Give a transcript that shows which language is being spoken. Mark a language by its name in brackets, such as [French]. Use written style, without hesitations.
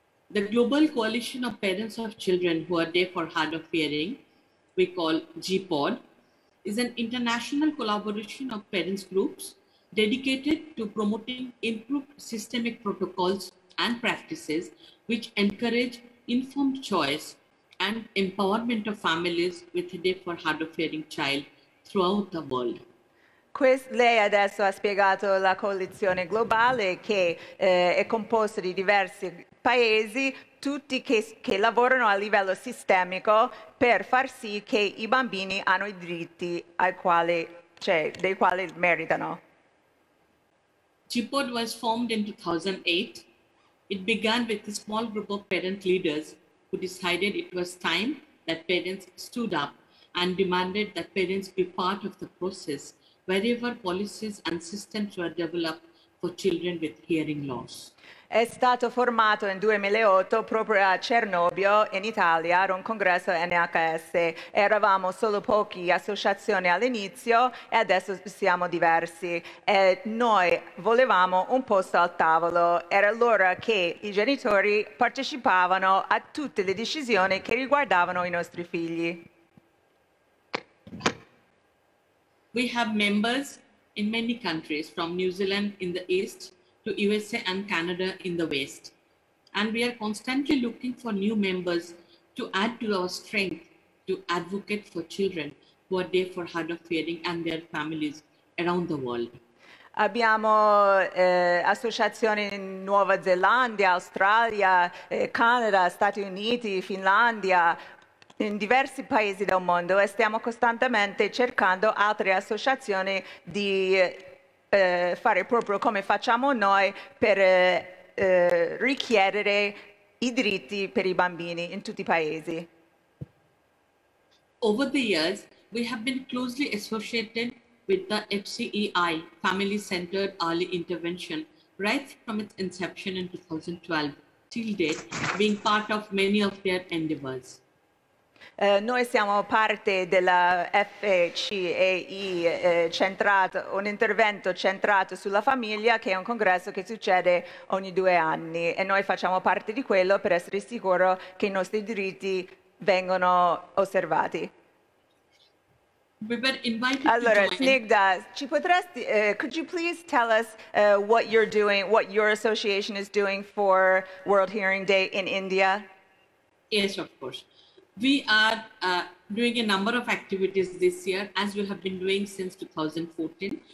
[English] The global coalition of parents of children who are deaf or hard of hearing, we call GPOD, is an international collaboration of parents groups dedicated to promoting improved systemic protocols and practices which encourage informed choice and empowerment of families with a deaf or hard of hearing child throughout the world. [Italian] Lei adesso ha spiegato la coalizione globale che è composta di diversi paesi, tutti che lavorano a livello sistemico per far sì che i bambini hanno i diritti ai quali, cioè, dei quali meritano. [English] GPOD was formed in 2008. It began with a small group of parent leaders who decided it was time that parents stood up and demanded that parents be part of the process wherever policies and systems were developed for children with hearing loss. [Italian] È stato formato in 2008 proprio a Cernobbio, in Italia, ad un congresso NHS. Eravamo solo pochi associazioni all'inizio e adesso siamo diversi. E noi volevamo un posto al tavolo. Era allora che i genitori partecipavano a tutte le decisioni che riguardavano i nostri figli. [English] We have members in many countries, from New Zealand in the east to USA and Canada in the west. And we are constantly looking for new members to add to our strength to advocate for children who are deaf or hard of hearing and their families around the world. [Italian] Abbiamo associazioni in Nuova Zelanda, Australia, Canada, Stati Uniti, Finlandia, in diversi paesi del mondo, e stiamo costantemente cercando altre associazioni di fare proprio come facciamo noi per richiedere i diritti per i bambini in tutti i paesi. [English] Over the years, we have been closely associated with the FCEI, Family Centered Early Intervention, right from its inception in 2012, till date, being part of many of their endeavors. [Italian] Noi siamo parte della FCEI, un intervento centrato sulla famiglia, che è un congresso che succede ogni due anni, e noi facciamo parte di quello per essere sicuro che i nostri diritti vengono osservati. [English] We were invited [Italian] allora, Snigdha, ci potresti, [English] could you please tell us what you're doing, what your association is doing for World Hearing Day in India? Yes, of course. We are doing a number of activities this year, as we have been doing since 2014.